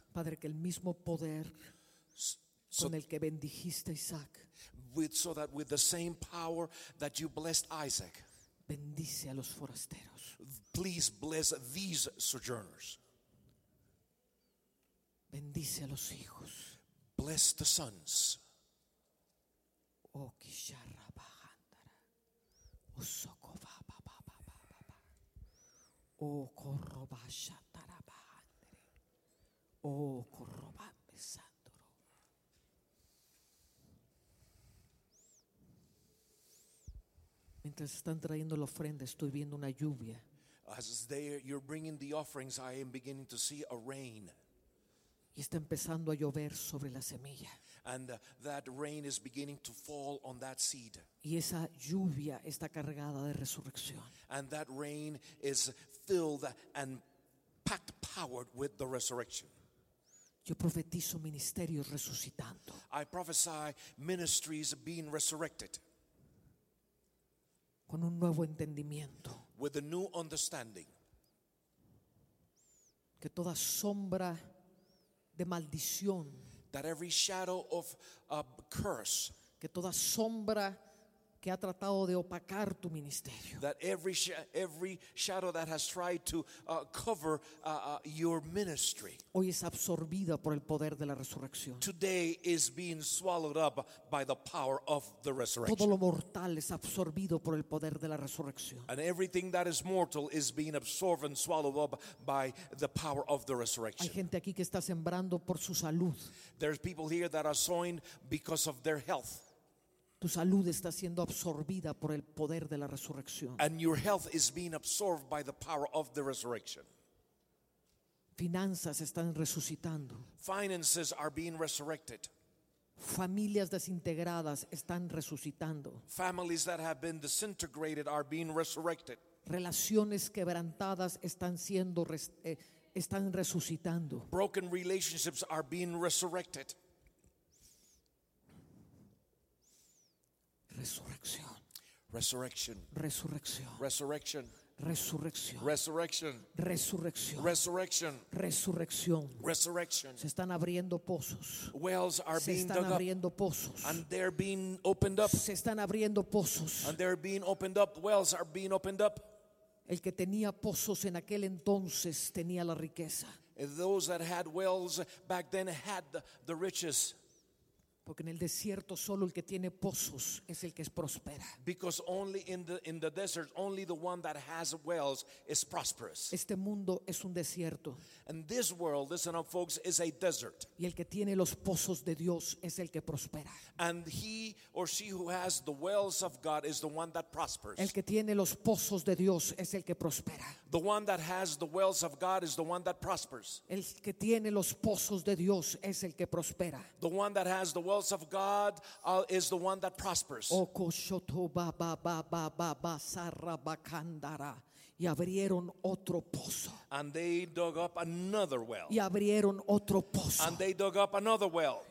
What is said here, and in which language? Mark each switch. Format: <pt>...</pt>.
<es>Padre, que el mismo poder con el que bendijiste a Isaac.</es> <en>So that with the same power that you blessed Isaac.</en> <es>Bendice a los forasteros.</es> <en>Please bless these sojourners.</en> <es>Bendice a los hijos.</es> <en>Bless the sons. O kisharra bahandara. O sokova ba ba ba ba ba ba. O korroba shatara bahandere. O korroba mesa.</en> <es>Mientras están trayendo la ofrenda, estoy viendo una lluvia.</es> <en>You're bringing the offerings, I am beginning to see a rain.</en> <es>Y está empezando a llover sobre la semilla.</es> <en>And that rain is beginning to fall on that seed.</en> <es>Y esa lluvia está cargada de resurrección.</es> <en>And that rain is filled and packed, powered with the resurrection.</en> <es>Yo profetizo ministerios resucitando.</es> <en>I prophesy ministries being resurrected.</en> <es>Con un nuevo entendimiento.</es> <en>With a new understanding.</en> <es>Que toda sombra de maldición.</es> <en>That every shadow of a curse.</en> <es>Que toda sombra que ha tratado de opacar tu ministerio.</es> <en>That every shadow that has tried to cover your ministry.</en> <es>Hoy es absorbida por el poder de la resurrección.</es> <en>Today is being swallowed up by the power of the resurrection.</en> <es>Todo lo mortal es absorbido por el poder de la resurrección.</es> <en>And everything that is mortal is being absorbed and swallowed up by the power of the resurrection.</en> <es>Hay gente aquí que está sembrando por su salud.</es> <en>There's people here that are sowing because of their health.</en> <es>Tu salud está siendo absorbida por el poder de la resurrección.</es> <en>And your health is being absorbed by the power of the resurrection.</en> <es>Finanzas están resucitando.</es> <en>Finances are being resurrected.</en> <es>Familias desintegradas están resucitando.</es> <en>Families that have been disintegrated are being resurrected.</en> <es>Relaciones quebrantadas están siendo están resucitando.</es> <en>Broken relationships are being resurrected.</en> <es>Resurrección.</es> <en>Resurrection.</en> <es>Resurrección.</es> <en>Resurrection.</en> <es>Resurrección.</es> <en>Resurrection.</en> <es>Resurrección.</es> <en>Resurrection.</en> <es>Resurrección.</es> <en>Resurrection.</en> <es>Se están abriendo pozos.</es> <en>Wells are being dug up.</en> <es>Se están abriendo pozos.</es> <en>And they're being opened up.</en> <es>Se están abriendo pozos.</es> <en>And they're being opened up. Wells are being opened up.</en> <es>El que tenía pozos en aquel entonces tenía la riqueza.</es> <en>Those that had wells back then had the riches.</en> <es>Porque en el desierto solo el que tiene pozos es el que prospera.</es> <en>Because only in the desert, only the one that has wells is prosperous.</en> <es>Este mundo es un desierto.</es> <en>And this world, listen up folks, is a desert.</en> <es>Y el que tiene los pozos de Dios es el que prospera.</es> <en>And he or she who has the wells of God is the one that prospers.</en> <es>El que tiene los pozos de Dios es el que prospera.</es> <en>The one that has the wells of God is the one that prospers.</en> <es>El que tiene los pozos de Dios es el que prospera.</es> <en>The one that has the wells of God is the one that prospers. Oko shoto ba ba ba ba ba ba sarra bakandara.</en> <es>Y abrieron otro pozo.</es> <en>And they dug up another well.</en> <es>Y abrieron otro pozo.</es> <en>And they dug up another well.</en>